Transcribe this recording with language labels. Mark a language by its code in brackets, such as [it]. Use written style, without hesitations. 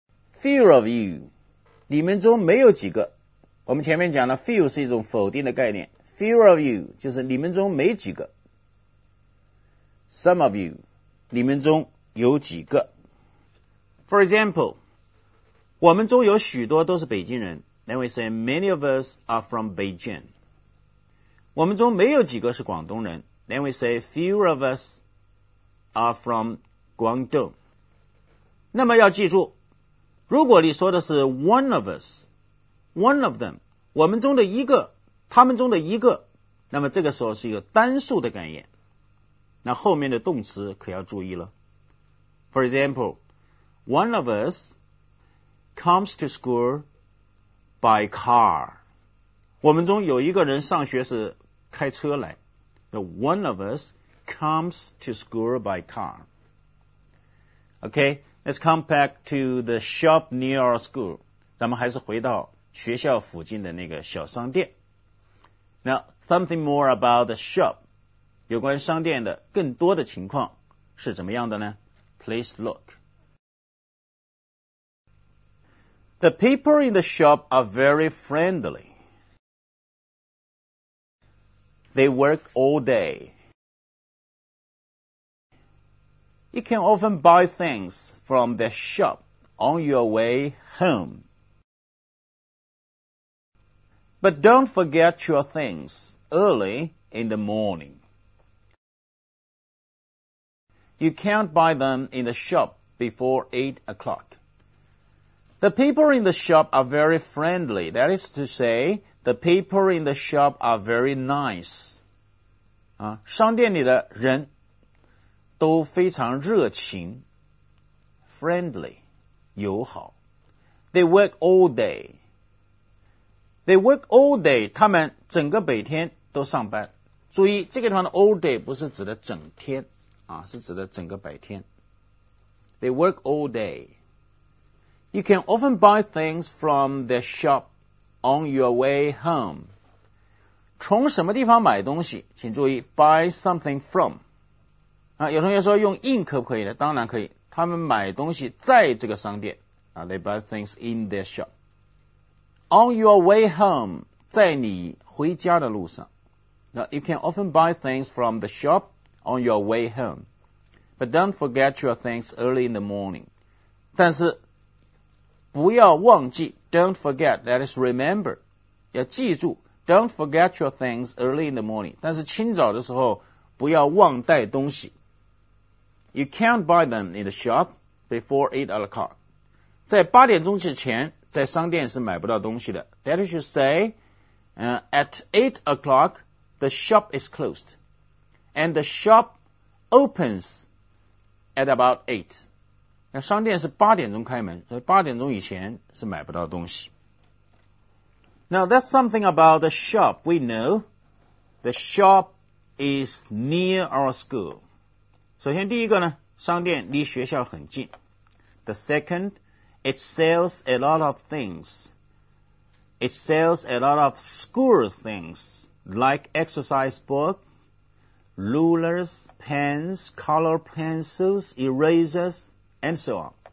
[en] Few of you. [zh] 你们中没有几个。我们前面讲了 few 是一种否定的概念。 [en] Few of you [zh] 就是你们中没几个。 [en] Some of you. [zh] 你们中有几个。 [en] For example, [zh] 我们中有许多都是北京人。 [en] Then we say many of us are from Beijing. [zh] 我们中没有几个是广东人。 [en] Then we say few of us are from Guangdong. [zh] 那么要记住，如果你说的是 [en] one of us, one of them, [zh] 我们中的一个，他们中的一个，那么这个时候是一个单数的概念。那后面的动词可要注意了。 [en] For example, one of us comes to school. By car. [zh] 我们中有一个人上学是开车来。 [en] One of us comes to school by car. Okay, let's come back to the shop near our school. [zh] 咱们还是回到学校附近的那个小商店。 [en] Now, something more about the shop. [zh] 有关商店的更多的情况是怎么样的呢? [en] Please look. The people in the shop are very friendly. They work all day. You can often buy things from the shop on your way home. But don't forget your things early in the morning. You can't buy them in the shop before 8 o'clock. The people in the shop are very friendly. That is to say, the people in the shop are very nice. [zh] 啊，商店里的人都非常热情 [en] ，friendly， [zh] 友好。 [en] They work all day. They work all day. [zh] 他们整个每天都上班。注意，这个地方的 [en] all day [zh] 不是指的整天，啊，是指的整个白天。 [en] They work all day. You can often buy things from the shop on your way home. [zh] 从什么地方买东西？请注意 , [en] buy something from. [zh] 啊，有同学说用 in 可不可以呢？当然可以。他们买东西在这个商店。 [en] 啊 ,they buy things in their shop. On your way home, [zh] 在你回家的路上。 [en] Now, you can often buy things from the shop on your way home. But don't forget your things early in the morning. [zh] 但是不要忘记 [en] ,don't forget, that is remember. [zh] 要记住 [en] ,don't forget your things early in the morning. [zh] 但是清早的时候不要忘带东西。 [en] You can't buy them in the shop before 8 o'clock. [zh] 在八点钟之前在商店是买不到东西的。 [en] That is to say,at 8 o'clock, the shop is closed. And the shop opens at about 8. [zh] 那商店是八点钟开门，所以八点钟以前是买不到东西。 [en] Now that's something about the shop. We know the shop is near our school. [zh] 首先第一个呢，商店离学校很近。 [en] The second, it sells a lot of things. It sells a lot of school things like exercise book, rulers, pens, color pencils, erasers.And so on.